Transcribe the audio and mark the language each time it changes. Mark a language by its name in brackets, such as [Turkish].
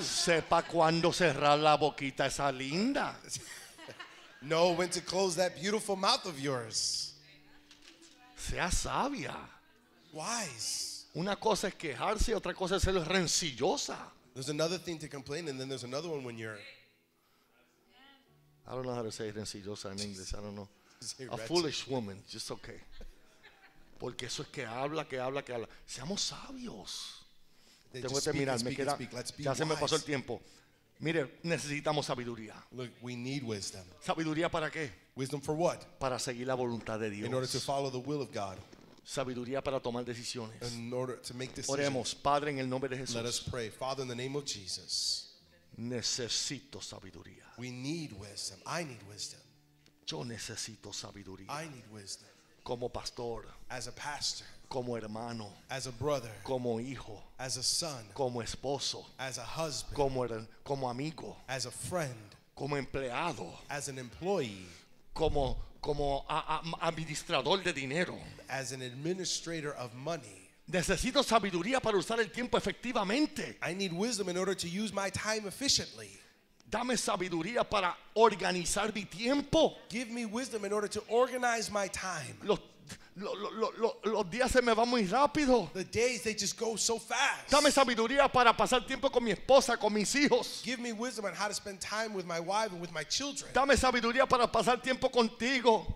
[Spanish] Sepa cuándo cerrar la boquita esa linda. [English] Know when to close that beautiful mouth of yours. [Spanish] Sea sabia. [English] Wise. [Spanish] Una cosa es quejarse, otra cosa es ser rencillosa. [English] There's another thing to complain and then there's another one when you're... I don't know how to say rencillosa in English. I don't know. A foolish woman. Just okay. [Spanish] Porque eso es que habla, que habla, que habla. Seamos sabios. Tengo que terminar, me queda, ya se me pasó el tiempo. Mire, necesitamos sabiduría. [English] Look, we need wisdom. [Spanish] ¿Sabiduría para qué? [English] Wisdom for what? [Spanish] Para seguir la voluntad de Dios. [English] In order to follow the will of God. [Spanish] Sabiduría para tomar decisiones. [English] In order to make decisions. [Spanish] Oremos, Padre, en el nombre de Jesús. [English] Let us pray, Father, in the name of Jesus. [Spanish] Necesito sabiduría. [English] We need wisdom. I need wisdom. [Spanish] Yo necesito sabiduría. [English] I need wisdom. [Spanish] Como pastor. [English] As a pastor. [Spanish] Como hermano, [English] as a brother, [Spanish] como hijo, [English] as a son, [Spanish] como esposo, [English] as a husband, [Spanish] como amigo, [English] as a friend, [Spanish] como empleado, [English] as an employee, [Spanish] como administrador de dinero, [English] as an administrator of money. [Spanish] Necesito sabiduría para usar el tiempo efectivamente. [English] I need wisdom in order to use my time efficiently. [Spanish] Dame sabiduría para organizar mi tiempo. [English] Give me wisdom in order to organize my time. [Spanish] Los Los días se me van muy rápido. [English] The days, they just go so fast. [Spanish] Dame sabiduría para pasar tiempo con mi esposa, con mis hijos. [English] Give me wisdom on how to spend time with my wife and with my children. [Spanish] Dame sabiduría para pasar tiempo contigo.